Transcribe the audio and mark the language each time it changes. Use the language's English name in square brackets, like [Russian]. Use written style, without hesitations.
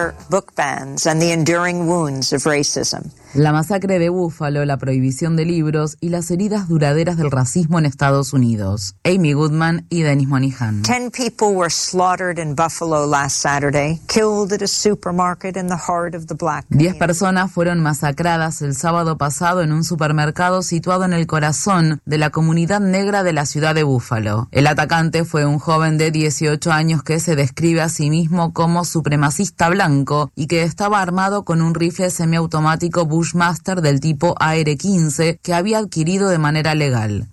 [English] Book bans and the enduring wounds of racism. [Spanish] La masacre de Buffalo, la prohibición de libros y las heridas duraderas del racismo en Estados Unidos. Amy Goodman y Dennis Monihan. [English] 10 people were slaughtered in Buffalo last Saturday, killed at a supermarket in the heart of the black community. [Spanish] 10 personas fueron masacradas el sábado pasado en un supermercado situado en el corazón de la comunidad negra de la ciudad de Buffalo. El atacante fue un joven de 18 años que se describe a sí mismo como supremacista blanco y que estaba armado con un rifle semiautomático Bushmaster del tipo AR-15 que había adquirido de manera legal.